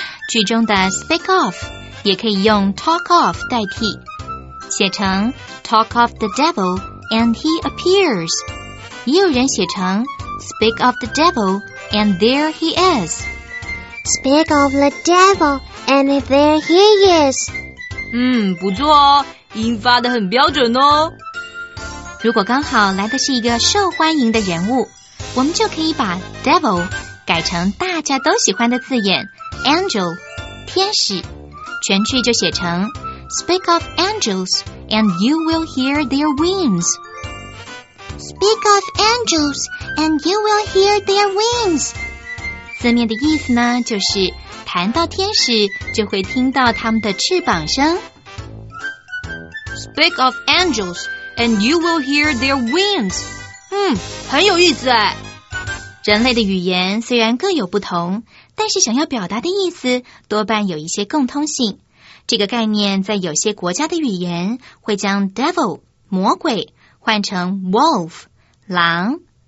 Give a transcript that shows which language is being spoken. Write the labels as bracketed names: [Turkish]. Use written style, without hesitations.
[Chinese] 句中的 speak of 也可以用 [English] talk of 代替，写成 talk of the devil and he appears， [Chinese] 也有人写成 [English] speak of the devil and there he is。 speak of the devil and there he is。 [Chinese] 不错哦，音发得很标准哦。如果刚好来的是一个受欢迎的人物，我们就可以把 devil 改成大家都喜欢的字眼 angel， 天使。全句就写成 [English] speak of angels and you will hear their wings。 speak of angels and you will hear their wings。 [Chinese] 字面的意思呢，就是谈到天使就会听到他们的翅膀声。 [English] speak of angels and you will hear their wings。 [Chinese] 很有意思哎。人类的语言虽然各有不同，但是想要表达的意思多半有一些共通性。这个概念在有些国家的语言会将 devil 魔鬼换成 wolf 狼。